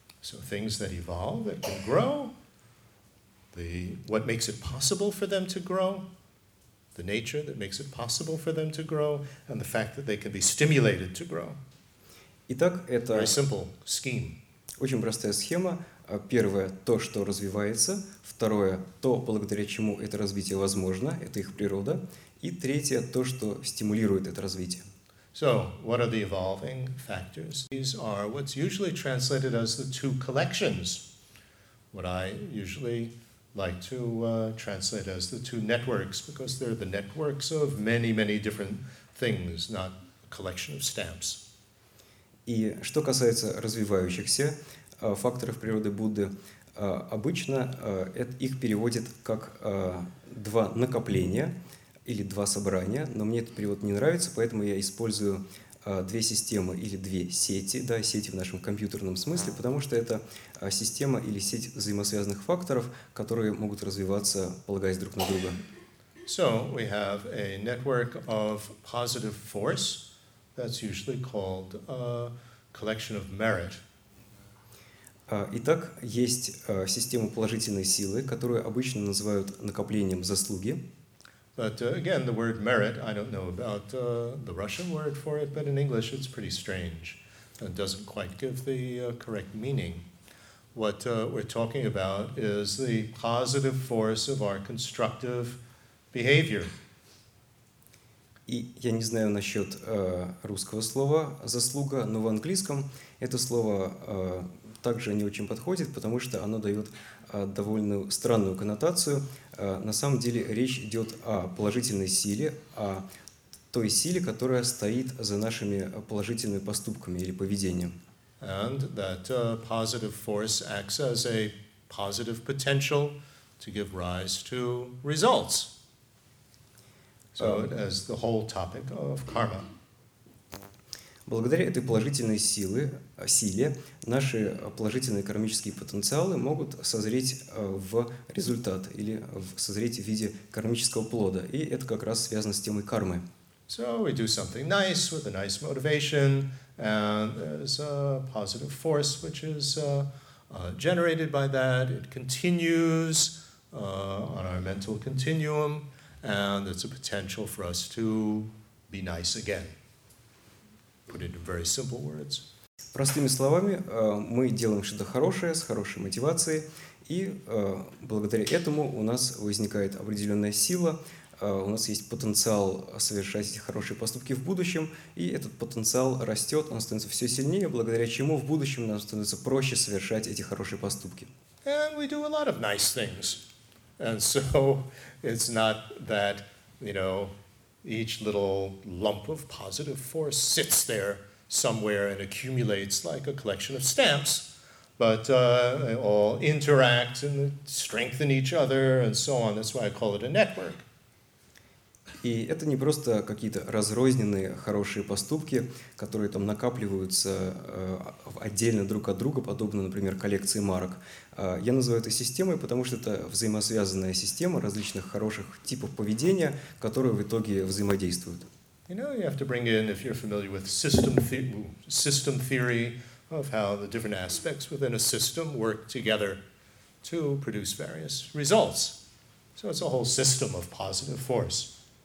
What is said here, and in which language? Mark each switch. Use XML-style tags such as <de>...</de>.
<en>So things that evolve, that can grow, what makes it possible for them to grow, the nature that makes it possible for them to grow, and the fact that they can be stimulated to grow.</en> <ru>Итак, это</ru> <en>very simple scheme.</en> <ru>Очень простая схема. Первое — то, что развивается. Второе — то, благодаря чему это развитие возможно, это их природа. И третье — то, что стимулирует это развитие.</ru> <en>So, what are the evolving factors? These are what's usually translated as the two collections. What I usually like to translate as the two networks, because they're the networks of many, many different things, not a collection of stamps.</en> <ru>И что касается развивающихся факторов природы Будды, обычно их переводят как два накопления или два собрания, но мне этот перевод не нравится, поэтому я использую две системы или две сети, да, сети в нашем компьютерном смысле, потому что это система или сеть взаимосвязанных факторов, которые могут развиваться, полагаясь друг на друга.</ru> <en>So, we have a network of positive force that's usually called a collection of merit.</en> <ru>Итак, есть система положительной силы, которую обычно называют накоплением заслуги.</ru> <en>But again, the word merit, I don't know about the Russian word for it, but in English it's pretty strange. It doesn't quite give the correct meaning. What we're talking about is the positive force of our constructive behavior.</en> <ru>И я не знаю насчет русского слова «заслуга», но в английском это слово также не очень подходит, потому что оно дает довольно странную коннотацию. На самом деле речь идет о положительной силе, о той силе, которая стоит за нашими положительными поступками или поведением.</ru> <en>And that positive force acts as a positive potential to give rise to results. So it has the whole topic of karma.</en> <ru>Благодаря этой положительной силе наши положительные кармические потенциалы могут созреть в результат или созреть в виде кармического плода. И это как раз связано с темой кармы.</ru> <en>So we do something nice with a nice motivation, and there's a positive force which is generated by that. It continues on our mental continuum, and it's a potential for us to be nice again. Put it in very simple words.</en> <ru>Простыми словами, мы делаем что-то хорошее, с хорошей мотивацией, и благодаря этому у нас возникает определенная сила, у нас есть потенциал совершать эти хорошие поступки в будущем, и этот потенциал растет, он становится все сильнее, благодаря чему в будущем нам становится проще совершать эти хорошие поступки.</ru> <en>And we do a lot of nice things. And so it's not that, you know, each little lump of positive force sits there somewhere and accumulates like a collection of stamps, but they all interact and strengthen each other and so on. That's why I call it a network.</en> <ru>И это не просто какие-то разрозненные хорошие поступки, которые там накапливаются отдельно друг от друга, подобно, например, коллекции марок. Я называю это системой, потому что это взаимосвязанная система различных хороших типов поведения, которые в итоге взаимодействуют.</ru> <en>You know, you have to bring in, if you're familiar with system theory of how the different aspects within a system work together to produce various results. So it's a whole system of positive force.</en>